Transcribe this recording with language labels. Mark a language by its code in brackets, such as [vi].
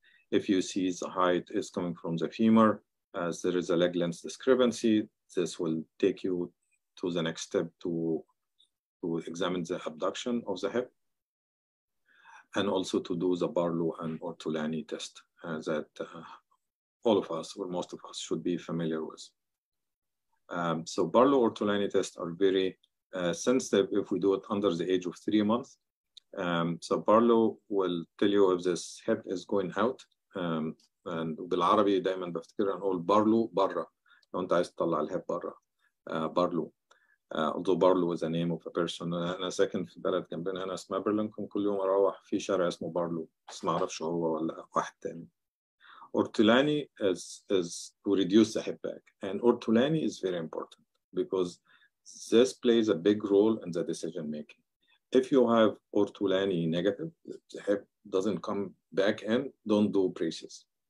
[en] If you see the height is coming from the femur, as there is a leg length discrepancy, this will take you to the next step to examine the abduction of the hip, and also to do the Barlow and Ortolani test that all of us, or most of us, should be familiar with. So Barlow Ortolani tests are very sensitive if we do it under the age of 3 months. So Barlow will tell you if this hip is going out. [ar] And بالعربي دائما بفتكر ان اقول بارلو برا لو انت عايز تطلع الهيب برا بارلو [en] although [ar] بارلو [en] is the name of a person. [ar] انا ساكن في بلد جنبنا هنا اسمها برلينكم, كل يوم اروح في شارع اسمه بارلو بس ما اعرفش هو ولا واحد تاني. [en] Ortolani is to reduce the hip back, and Ortolani is very important because this plays a big role in the decision making. If you have Ortolani negative, the hip doesn't come back in, don't do braces.